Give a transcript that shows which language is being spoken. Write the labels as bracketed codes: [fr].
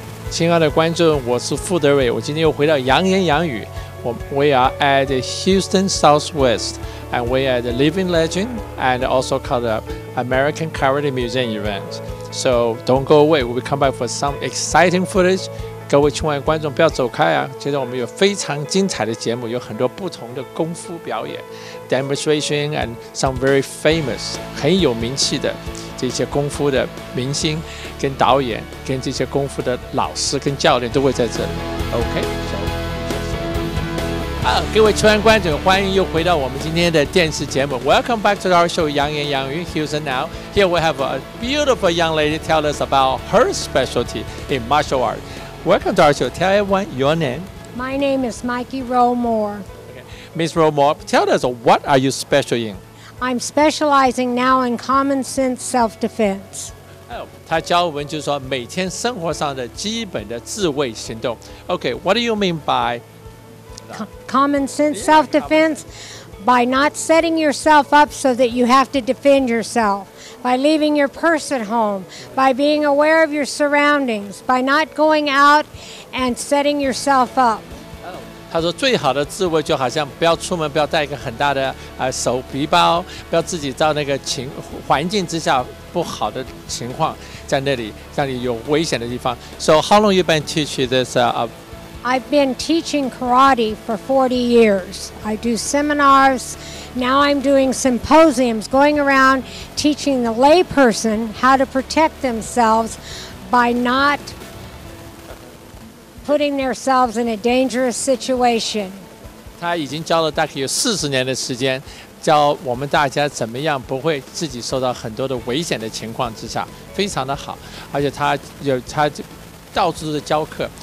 [zh] 亲爱的观众，我是傅德伟，我今天又回到扬言扬语。 [en] We are at the Houston Southwest, and we are the Living Legend, and also called the American Karate Museum event. So don't go away, we'll come back for some exciting footage. [zh] 各位亲爱的观众，不要走开啊！接着我们有非常精彩的节目，有很多不同的功夫表演 [en] demonstration and some very famous [zh] 很有名气的这些功夫的明星跟导演跟这些功夫的老师跟教练都会在这里。 OK。各位亲爱的观众，欢迎又回到我们今天的电视节目。 [en] Welcome back to our show, 扬言扬语 Houston Now. Here we have a beautiful young lady tell us about her specialty in martial art. Welcome to our show. Tell everyone your name. My name is Mikey Rowe-Moore. Okay. Ms. Rowe-Moore, tell us, what are you special in? I'm specializing now in common sense self-defense. [zh] 他教我们就是说每天生活上的基本的自卫行动。 [en] Okay, what do you mean by... Common sense self-defense by not setting yourself up so that you have to defend yourself, by leaving your purse at home, by being aware of your surroundings, by not going out and setting yourself up. [zh] 他说最好的自卫就好像不要出门，不要带一个很大的手提包，不要自己到那个环境之下不好的情况在那里，让你有危险的地方。 [en] So how long you been teach this I've been teaching karate for 40 years. I do seminars. Now I'm doing symposiums, going around teaching the layperson how to protect themselves by not putting themselves in a dangerous situation. [zh] 他已经教了大概有40年的时间，教我们大家怎么样不会自己受到很多的危险的情况之下，非常的好，而且他到处的教课。